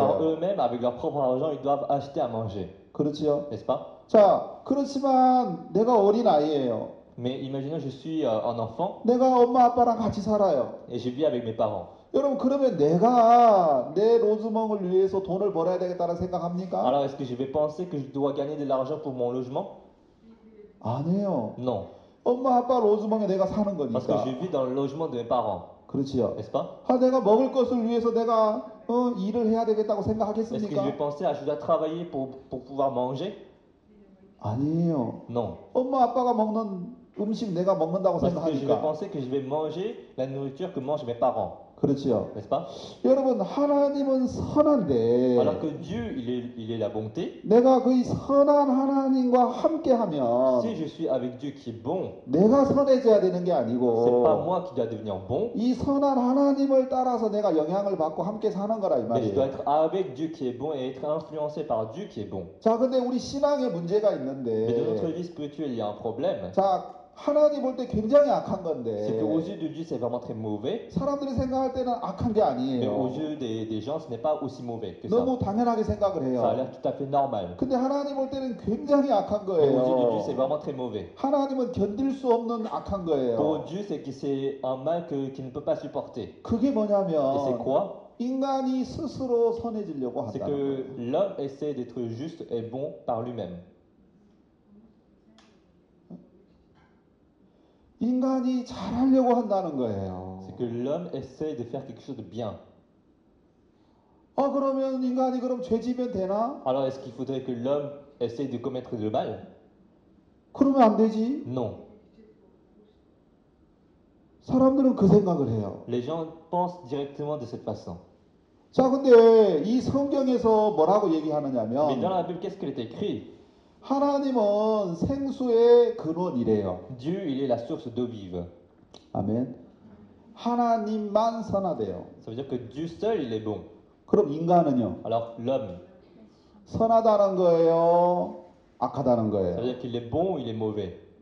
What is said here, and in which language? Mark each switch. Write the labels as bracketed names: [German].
[French] C'est par eux-mêmes avec leur propre argent ils doivent acheter à manger. [Korean] 그렇지요. [French] N'est-ce pas? [Korean] 자, 그렇지만 내가 어린 아이예요. [French] Mais imaginons je suis un enfant. [Korean] 내가 엄마 아빠랑 같이 살아요. [French] Et je vis avec mes parents. [Korean] 여러분, 그러면 내가 내 로즈멍을 위해서 돈을 벌어야 되겠다는 생각합니까? [French] Alors est-ce que je vais penser que je dois gagner de l'argent pour mon logement? [Korean] 아니에요. [French] Non. [Korean] 엄마 아빠 로즈멍에 내가 사는 거니까. [French] Parce que je vis dans le logement de mes parents. [Korean] 그렇지요. [French] N'est-ce pas? [Korean] 아, 내가 먹을 것을 위해서 내가 일을 해야 되겠다고 생각하겠습니까? [French] Est-ce que je pensais à je dois travailler pour pouvoir manger? [Korean] 아니에요. [French] Non. [Korean] 엄마 아빠가 먹는 음식 내가 먹는다고 생각하니까. [French] Je pensais que je vais manger la nourriture que mangent mes parents. [Korean] 그렇지요. [French] N'est-ce pas? [Korean] 여러분 하나님은 선한데. [French] Alors que Dieu il est la bonté. [Korean] 내가 그 선한 하나님과 함께하면. [French] Si je suis avec Dieu qui est bon. [Korean] 내가 선해져야 되는 게 아니고. [French] C'est pas moi qui dois devenir bon. [Korean] 이 선한 하나님을 따라서 내가 영향을 받고 함께 사는 거라 이 말이에요. [French] Mais je dois être avec Dieu qui est bon et être influencé par Dieu qui est bon. [Korean] 자 근데 우리 신앙에 문제가 있는데. [French] Mais dans notre vie spirituelle il y a un problème. [Korean] 자 하나님 볼 때 굉장히 악한 건데. [French] C'est que aux yeux de Dieu, c'est vraiment très mauvais. [Korean] 사람들이 생각할 때는 악한 게 아니에요. [French] Mais aux yeux des gens, ce n'est pas aussi mauvais que ça. [Korean] 너무 당연하게 생각을 해요. [French] Ça a l'air tout à fait normal. [Korean] 근데 하나님 볼 때는 굉장히 악한 거예요. [French] Mais aux yeux de Dieu, c'est vraiment très mauvais. [Korean] 하나님은 견딜 수 없는 악한 거예요. [French] Pour Dieu, c'est un mal qu'il ne peut pas supporter. [Korean] 그게 뭐냐면. [French] Et c'est quoi? [Korean] 인간이 스스로 선해지려고 한다. [French] C'est que l'homme essaie d'être juste et bon par lui-même. [Korean] 인간이 잘하려고 한다는 거예요. [French] C'est que l'homme essaie de faire quelque chose de bien. [Korean] 아 그러면 인간이 그럼 죄지면 되나? [French] Alors est-ce qu'il faudrait que l'homme essaie de commettre le mal? [Korean] 그러면 안 되지. [French] Non. [Korean] 사람들은 그 생각을 해요. [French] Les gens pensent directement de cette façon. [Korean] 자 근데 이 성경에서 뭐라고 얘기하느냐면. [French] Mais dans la Bible, qu'est-ce qu'il est écrit? [Korean] 하나님은 생수의 근원이래요. [French] Dieu il est la source d'eau vive. [Korean] 아멘. 하나님만 선하대요. [French] Ça veut dire que Dieu seul il est bon. [Korean] 그럼 인간은요? [French] Alors l'homme. [Korean] 선하다는 거예요. 악하다는 거예요. [French] Ça veut dire qu'il est bon ou il est mauvais.